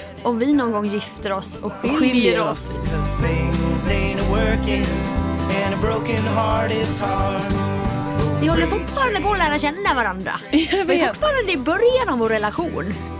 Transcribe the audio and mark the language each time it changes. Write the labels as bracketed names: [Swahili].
[Swedish] Om vi någon gång gifter oss och skiljer oss. [English] Because things ain't working. And a broken heart, it's hard. [Swedish] Vi håller fortfarande på att lära känna varandra. Jag vet. Vi är fortfarande i början av vår relation.